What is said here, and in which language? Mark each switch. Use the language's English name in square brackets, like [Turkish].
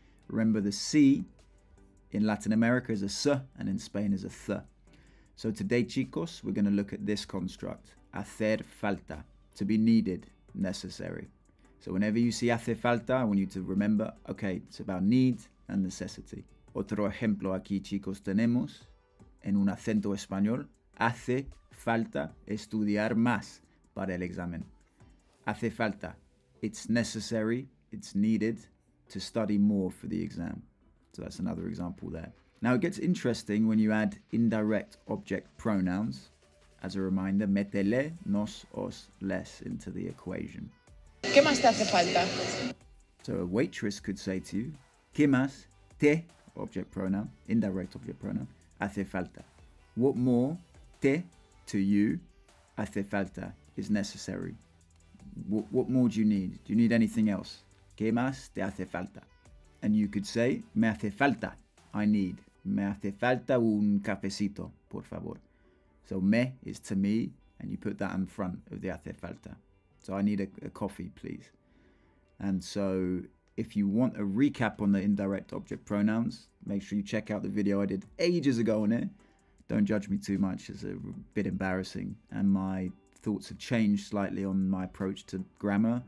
[English] Remember, the C in Latin America is a S and in Spain is a TH. So today, chicos, we're going to look at this construct. [Spanish] Hacer falta. [English] To be needed, necessary. So whenever you see hace falta, I want you to remember, okay, it's about need and necessity. [Spanish] Otro ejemplo aquí, chicos, tenemos en un acento español. Hace falta estudiar más para el examen. Hace falta. [English] It's necessary, it's needed to study more for the exam. So that's another example there. Now it gets interesting when you add indirect object pronouns. As a reminder, [Spanish] métele, nos, os, les [English] into the equation. [Spanish] ¿Qué más te hace falta? [English] So a waitress could say to you, [Spanish] ¿Qué más te, [English] object pronoun, indirect object pronoun, hace falta? What more te, to you, hace falta, is necessary? What more do you need? Do you need anything else? [Spanish] ¿Qué más te hace falta? [English] And you could say, [Spanish] me hace falta, [English] I need. [Spanish] Me hace falta un cafecito, por favor. [English] So me is to me, and you put that in front of the hace falta. So I need a coffee, please. And so if you want a recap on the indirect object pronouns, make sure you check out the video I did ages ago on it. Don't judge me too much, it's a bit embarrassing. And my thoughts have changed slightly on my approach to grammar.